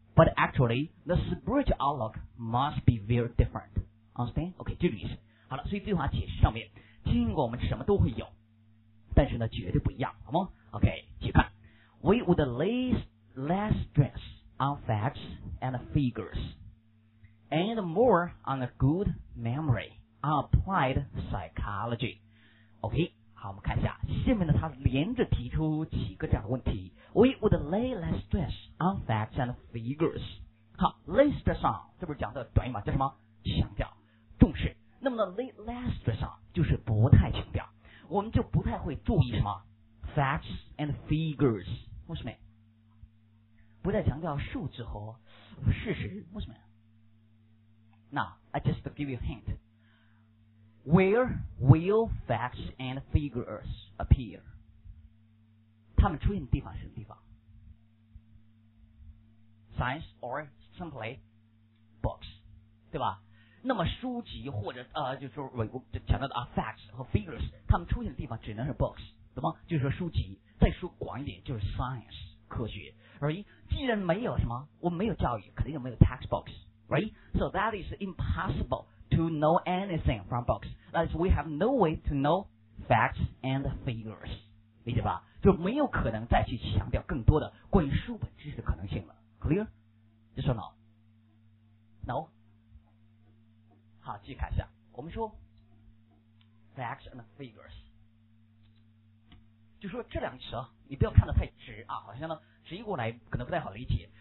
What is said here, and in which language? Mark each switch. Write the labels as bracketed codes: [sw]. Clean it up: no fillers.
[en] But actually, the spiritual outlook must be very different. Understand? OK, [zh] 这个意思。好了，所以这句话解释上面，尽管我们什么都会有，但是呢，绝对不一样，好吗 ？OK, 去看。 [en] We would lay less stress on facts and figures, and more on a good memory, applied psychology. [zh] OK, 好，我们看一下下面呢，他连着提出几个这样的问题。 [en] We would lay less stress on facts and figures. [zh] 好 ， [en] lay stress on [zh] 这不是讲的短语吗？叫什么？强调、重视。那么呢 ， [en] lay less stress on [zh] 就是不太强调，我们就不太会注意什么 [en] facts and figures. [zh] 为什么？不再强调数字和事实。为什么？那 [en] I just give you a hint. Where will facts and figures appear? [zh] 他们出现的地方是什么地方 ？ [en] Science or simply books， [zh] 对吧？那么书籍或者就是说我讲到的 facts 和 figures， 他们出现的地方只能是 books， 懂吗？就是说书籍，再说广一点就是 science 科学 ，right？既然没有什么，我们没有教育，肯定就没有 [en] textbooks，right？So that is impossible to know anything from books. That is we have no way to know facts and figures， [zh] 理解吧？就没有可能再去强调更多的关于书本知识的可能性了 ，clear？这说 no？ No？ 好，继续看一下我们说 [en] facts and figures， [zh] 就说这两个词你不要看得太直啊，好像呢直译过来可能不太好理解。